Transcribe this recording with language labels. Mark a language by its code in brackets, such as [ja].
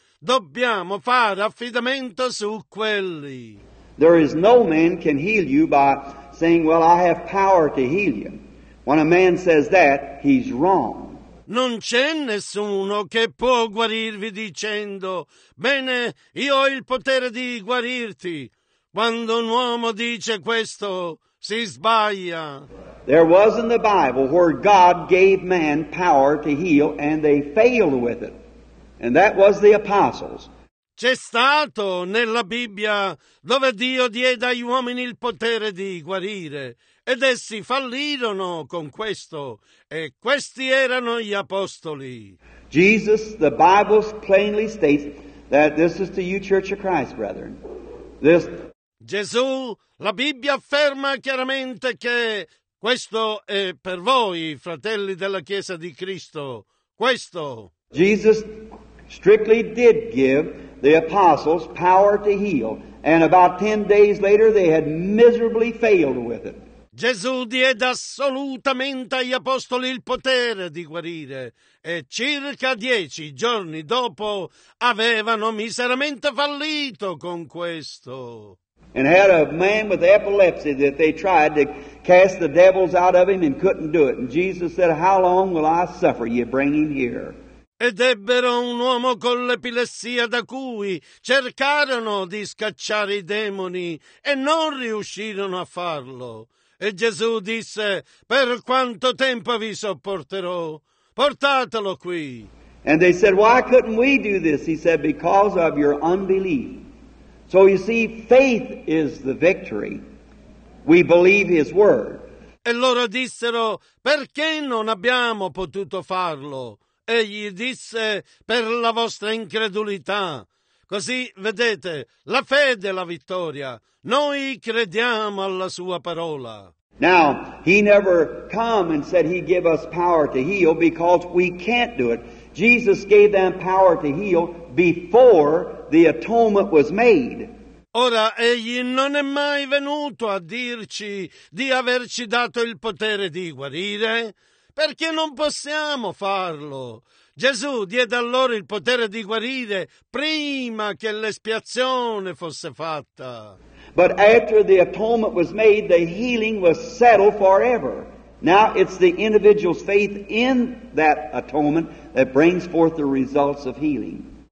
[it] Dobbiamo fare affidamento su quelli. [en] There is no man can heal you by saying, well, I have power to heal you. When a man says that, he's wrong. [it] Non c'è nessuno che può guarirvi dicendo, bene, io ho il potere di guarirti. Quando un uomo dice questo, si sbaglia. [en] There was in the Bible where God gave man power to heal and they failed with it. And that was the apostles. [it] C'è stato nella Bibbia dove Dio diede agli uomini il potere di guarire, ed essi fallirono con questo, e questi erano gli apostoli. [en] Jesus, the Bible plainly states that this is to you, Church of Christ, brethren. This. [it] Gesù, la Bibbia afferma chiaramente che questo è per voi, fratelli della Chiesa di Cristo. Questo. [en] Jesus strictly did give the apostles power to heal, and about 10 days later they had miserably failed with it. [it] Gesù diede assolutamente agli apostoli il potere di guarire, e circa 10 giorni dopo avevano miseramente fallito con questo. [en] And had a man with epilepsy that they tried to cast the devils out of him and couldn't do it. And Jesus said, how long will I suffer you? Bring him here. [it] Ed ebbero un uomo con l'epilessia da cui cercarono di scacciare i demoni e non riuscirono a farlo. E Gesù disse, per quanto tempo vi sopporterò? Portatelo qui. [en] And they said, why couldn't we do this? He said, because of your unbelief. So you see, faith is the victory. We believe His word. [it] E loro dissero, perché non abbiamo potuto farlo? Egli disse, per la vostra incredulità. Così, vedete, la fede è la vittoria. Noi crediamo alla sua parola. [en] Now, he never come and said he give us power to heal, because we can't do it. Jesus gave them power to heal before the atonement was made. [it] Ora, egli non è mai venuto a dirci di averci dato il potere di guarire, perché non possiamo farlo. Gesù diede a loro il potere di guarire prima che l'espiazione fosse fatta. [en] But after the atonement was made, the healing was settled forever. Now it's the individual's faith in that atonement that brings forth the results of healing.